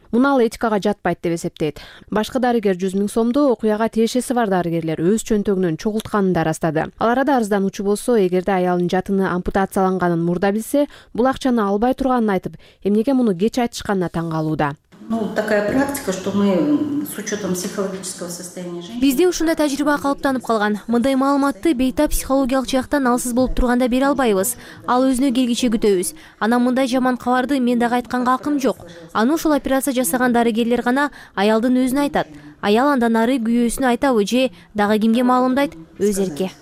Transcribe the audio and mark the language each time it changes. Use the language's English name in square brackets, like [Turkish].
[Kyrgyz] Муну ал этикага жатпайт деп эсептейт. Башка дарыгер 100,000 сомду окуяга тиешеси бар дарыгерлер өз чөнтөгүнөн чогултканын да ырастады. Ал арада арызданучу болсо, эгерде аялынын жатыны ампутацияланганын мурда билсе, бул акчаны албай турганын айтып, эмнеге муну кеч айтышканына таң калууда. [Russian] Такая практика, что мы с учетом психологического состояния женщины. [Kyrgyz] Бизде ушундай тажрыйба калыптанып калган. Мындай маалыматты бейтап психологиялык жактан алсыз болуп турганда бере албайбыз. Ал өзүнө келгиче күтөбүз. Анан мындай жаман кабарды мен дагы айтканга акым жок. Аны ушул операция жасаган дарыгерлер гана аялдын өзүн айтат. Аял андан ары күйөөсүнө айтабы же дагы кимге маалымдайт өз эрке.